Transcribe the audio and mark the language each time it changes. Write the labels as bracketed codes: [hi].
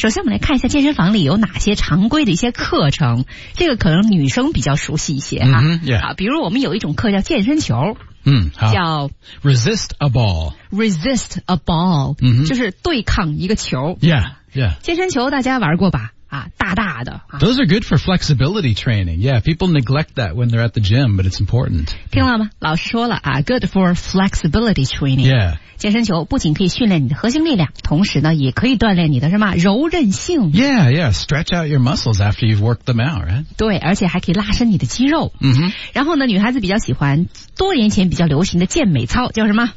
[zh] 首先我们来看一下健身房里有哪些常规的一些课程，这个可能女生比较熟悉一些啊。 [en] Mm-hmm. Yeah. [zh] 比如我们有一种课程叫健身球，好，叫 [en] resist a ball， resist a ball、嗯、 [zh] 就是对抗一个球。 [en] yeah, yeah. [zh] 健身球大家玩过吧啊，大大的、啊、 [en] those are good for flexibility training. Yeah, people neglect that when they're at the gym, but it's important. [zh] 听了吗、yeah. 老师说了啊， [en] good for flexibility training. Yeah. [zh] 健身球不仅可以训练你的核心力量，同时呢也可以锻炼你的什么柔韧性。 [en] Yeah, yeah, stretch out your muscles after you've worked them out, right? [zh] 对，而且还可以拉伸你的肌肉。 mm-hmm. 然后呢女孩子比较喜欢多年前比较流行的健美操叫什么